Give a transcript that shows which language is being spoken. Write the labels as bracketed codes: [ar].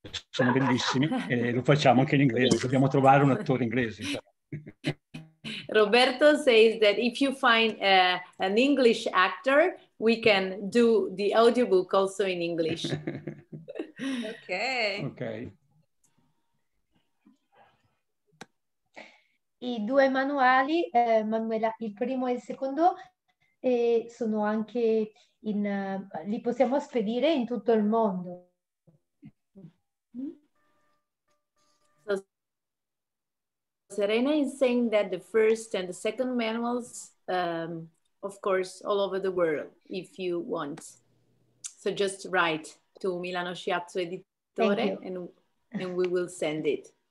[it] sono bellissimi e lo facciamo anche in inglese. Dobbiamo trovare un attore inglese. [en] Roberto says that if you find an English actor, we can do the audiobook also in English. Okay. Okay. [it] I due manuali, Manuela, il primo e il secondo, e sono anche in, li possiamo spedire in tutto il mondo. [en] So, Serena is saying that the first and the second manuals, of course, all over the world, if you want. So just write to Milano Shiatsu Editore and we will send it.